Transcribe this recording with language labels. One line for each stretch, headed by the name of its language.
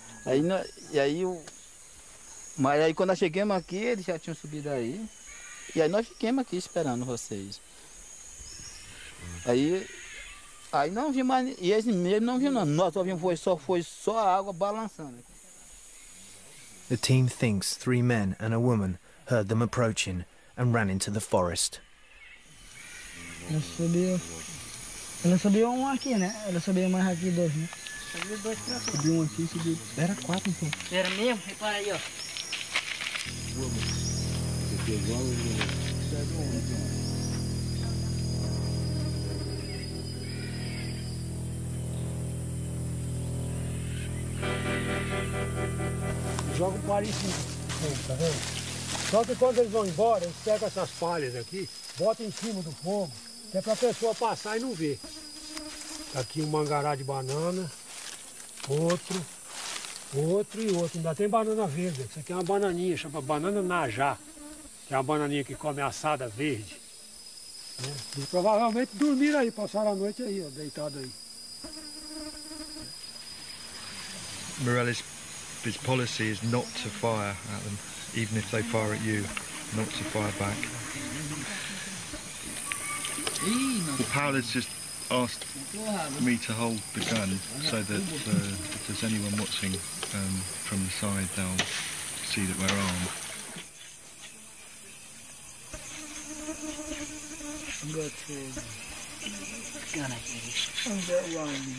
Portuguese: Aí nós, e aí o, mas aí quando nós chegamos aqui, eles já tinham subido aí. E aí nós fiquemos aqui esperando vocês. Aí não vi mais, e eles mesmo não viram, não. Nós só vimos, foi só a água balançando.
English: The team thinks three men and a woman heard them approaching and ran into the forest.
Portuguese: Ela subiu um aqui, né? Ela subiu mais aqui dois, né? Subiu dois pra cima. Subiu um aqui e subiu. Era quatro então. Era mesmo? Repara aí, ó. Você pegou o. Pega um, então. Joga o palha em cima. Sim, tá vendo? Só que quando eles vão embora, eles pegam essas palhas aqui, botam em cima do fogo, que é pra pessoa passar e não ver. Tá aqui um mangará de banana, outro, outro e outro. Ainda tem banana verde. Isso aqui é uma bananinha, chama banana najá, que é uma bananinha que come assada verde. Né? E provavelmente dormiram aí, passaram a noite aí, ó, deitado aí.
English: Morelli's. His policy is not to fire at them, even if they fire at you, not to fire back. Well, Paul has just asked me to hold the gun so that if there's anyone watching from the side, they'll see that we're armed.